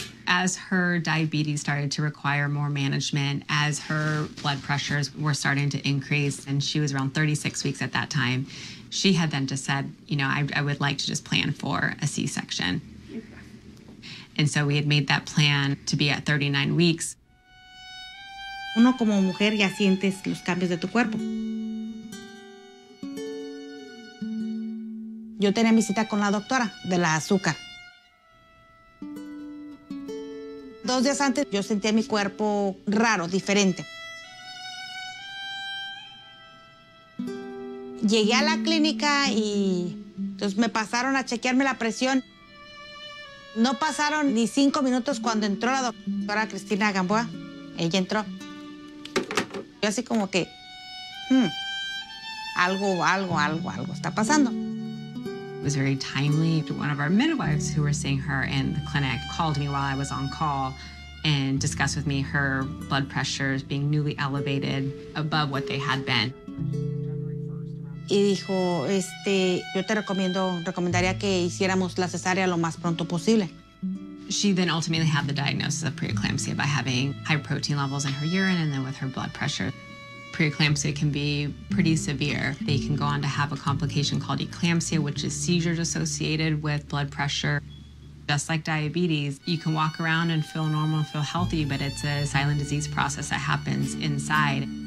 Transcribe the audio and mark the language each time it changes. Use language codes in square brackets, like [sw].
[en] As her diabetes started to require more management, as her blood pressures were starting to increase, and she was around 36 weeks at that time, she had then just said, you know, I would like to just plan for a C-section. And so we had made that plan to be at 39 weeks. [es] Uno como mujer ya sientes los cambios de tu cuerpo. Yo tenía mi cita con la doctora de la azúcar. 2 días antes yo sentía mi cuerpo raro, diferente. Llegué a la clínica y entonces me pasaron a chequearme la presión. No pasaron ni 5 minutos cuando entró la doctora Cristina Gamboa. Ella entró. Yo así como que, algo está pasando. [en] It was very timely. One of our midwives who were seeing her in the clinic called me while I was on call and discussed with me her blood pressures being newly elevated above what they had been. [es] y dijo, yo te recomendaría que hiciéramos la cesárea lo más pronto posible. [en] She then ultimately had the diagnosis of preeclampsia by having high protein levels in her urine and then with her blood pressure. Preeclampsia can be pretty severe. They can go on to have a complication called eclampsia, which is seizures associated with blood pressure. Just like diabetes, you can walk around and feel normal and feel healthy, but it's a silent disease process that happens inside.